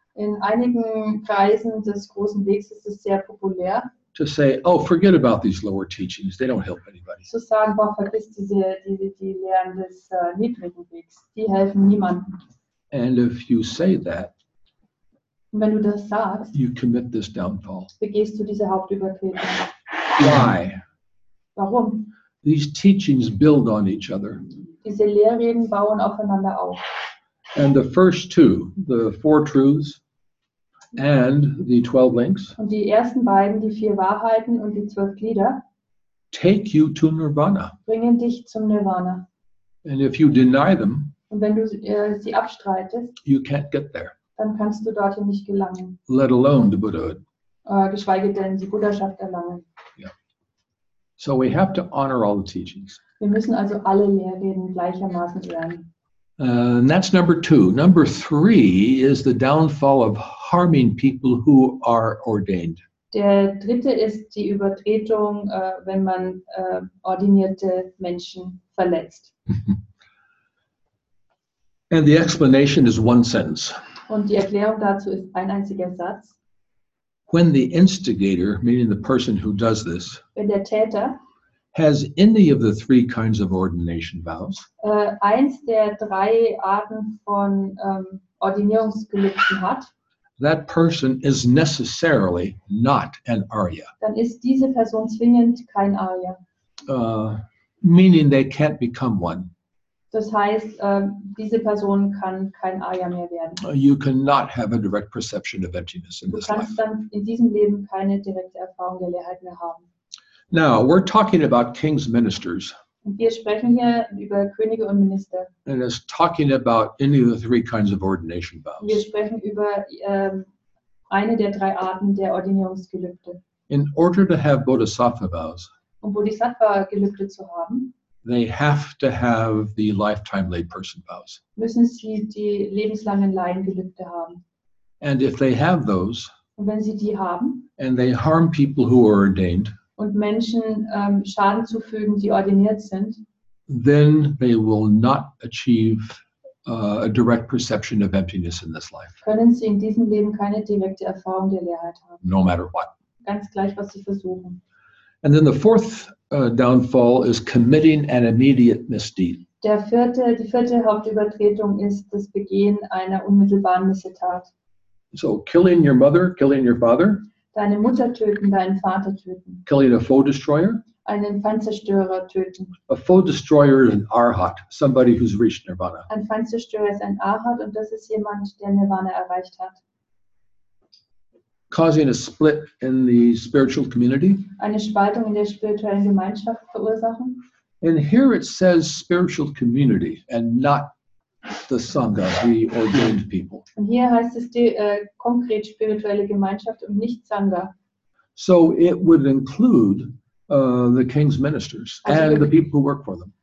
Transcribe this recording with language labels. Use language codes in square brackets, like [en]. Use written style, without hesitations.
[de] In einigen Kreisen des großen Wegs ist es sehr populär. [en] To say, oh, forget about these lower teachings; they don't help anybody. [de] Zu sagen, boah, vergiss die Lehren des niedrigen Wegs; die helfen niemanden. [en] And if you say that, [de] wenn du das sagst, [en] you commit this downfall. [de] Begehst du diese Hauptübertretung. [en] Why? [de] Warum? [en] These teachings build on each other. [de] Diese Lehrreden bauen aufeinander auf. [en] And the first two, the four truths and the 12 links, [de] und die ersten beiden, die vier Wahrheiten und die 12 Glieder, [en] take you to Nirvana, [de] bringen dich zum Nirvana. [en] And if you deny them, [de] und wenn du sie abstreitest, [en] you can't get there, [de] dann kannst du dorthin nicht gelangen, [en] let alone the Buddhahood, [de] geschweige denn die Buddhaschaft erlangen. [en] Yeah. So we have to honor all the teachings. [de] Wir müssen also alle Lehrreden gleichermaßen ehren. [en] And that's number two. Number three is the downfall of harming people who are ordained. [de] Der dritte ist die Übertretung, wenn man ordinierte Menschen verletzt. [en] And the explanation is one sentence. [de] Und die Erklärung dazu ist ein einziger Satz. [en] When the instigator, meaning the person who does this, [de] wenn der Täter, [en] has any of the three kinds of ordination vows, [de] eins der drei Arten von Ordinierungsgelübden hat, [en] that person is necessarily not an Arya. [de] Dann ist diese Person zwingend kein Arya. [en] Meaning they can't become one. [de] Das heißt, diese Person kann kein Arya mehr werden. [en] You cannot have a direct perception of emptiness in this life. [de] Du kannst dann in diesem Leben keine direkte Erfahrung der Leerheit mehr haben. [en] Now, we're talking about kings' ministers. [de] Wir sprechen hier über Könige und Minister. [en] And it's talking about any of the three kinds of ordination vows. [de] Wir sprechen über eine der drei Arten der Ordinierungsgelübde. [en] In order to have Bodhisattva vows, [de] um Bodhisattva-Gelübde zu haben, [en] they have to have the lifetime layperson vows. [de] Müssen sie die lebenslangen Laiengelübde haben. [en] And if they have those, [de] und wenn sie die haben, [en] and they harm people who are ordained, [de] und Menschen Schaden zufügen, die ordiniert sind, [en] then they will not achieve a direct perception of emptiness in this life. [de] Können sie in diesem Leben keine direkte Erfahrung der Leerheit haben. [en] No matter what. [de] Ganz gleich, was sie versuchen. [en] And then the fourth downfall is committing an immediate misdeed. [de] Die vierte Hauptübertretung ist das Begehen einer unmittelbaren Missetat. [en] So killing your mother, killing your father. [de] Deine Mutter töten, deinen Vater töten. [en] Killing a foe destroyer. [de] Einen Feindzerstörer töten. [en] A foe destroyer is an Arhat, somebody who's reached Nirvana. [de] Ein Feindzerstörer ist ein Arhat und das ist jemand, der Nirvana erreicht hat. [en] Causing a split in the spiritual community. [de] Eine Spaltung in der spirituellen Gemeinschaft verursachen. [en] And here it says spiritual community and not the Sangha, the ordained people. [de] Und hier heißt es die konkret spirituelle Gemeinschaft und nicht Sangha. [en] So it would include the king's ministers and the people who work for them.